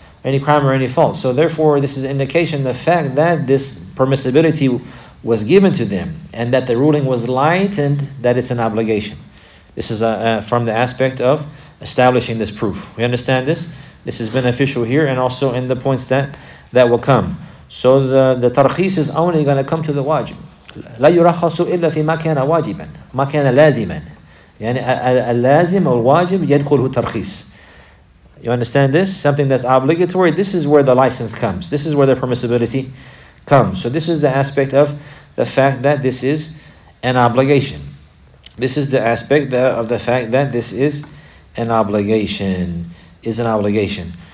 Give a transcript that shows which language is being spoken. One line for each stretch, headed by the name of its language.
English: So therefore, this is indication, the fact that this permissibility was given to them and that the ruling was lightened, that it's an obligation. This is from the aspect of establishing this proof. We understand this. This is beneficial here and also in the points that will come. So the tarkhis is only going to come to the wajib.
Arabic: لا يرخص إلا في ما كان واجبا ما كان لازما يعني اللازم والواجب يدخله ترخيص.
English: You understand this? Something that's obligatory, this is where the license comes. This is where the permissibility comes. So this is the aspect of the fact that this is an obligation. This is the aspect of the fact that this is an obligation. Is an obligation.